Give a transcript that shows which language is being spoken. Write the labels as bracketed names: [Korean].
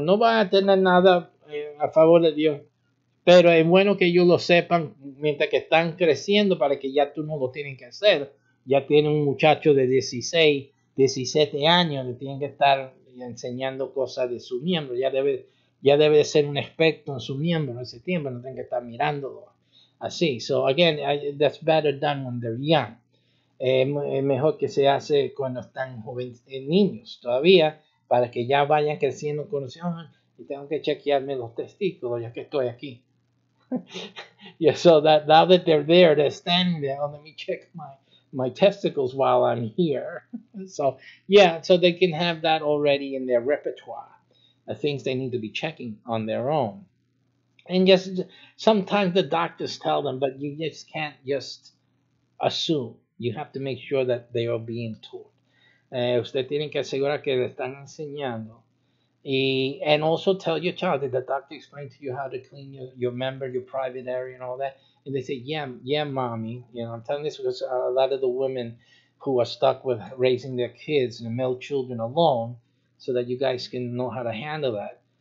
[Spanish] No va a tener nada a favor de Dios. Pero es bueno que ellos lo sepan mientras que están creciendo para que ya tú no lo tienen que hacer. Ya tiene un muchacho de 16, 17 años. Le tienen que estar enseñando cosas de su miembro. Ya debe de ser un experto en su miembro en ese tiempo. No tienen que estar mirándolo. [English] Así, so again, that's better done when they're young. [Spanish] Mejor que se hace cuando están niños todavía, para que ya vayan creciendo con los hijos, y tengo que chequearme los testículos, ya que estoy aquí. [English] Yeah, so that now that they're there, they're standing there, oh, let me check my testicles while I'm here. So, yeah, so they can have that already in their repertoire, the things they need to be checking on their own. And just sometimes the doctors tell them, but you just can't just assume. You have to make sure that they are being taught. [Spanish] Usted tiene que asegurar que le están enseñando. [English] And also tell your child, did the doctor explain to you how to clean your member, your private area and all that? And they say, yeah, mommy. You know, I'm telling this because a lot of the women who are stuck with raising their kids and male children alone, so that you guys can know how to handle that.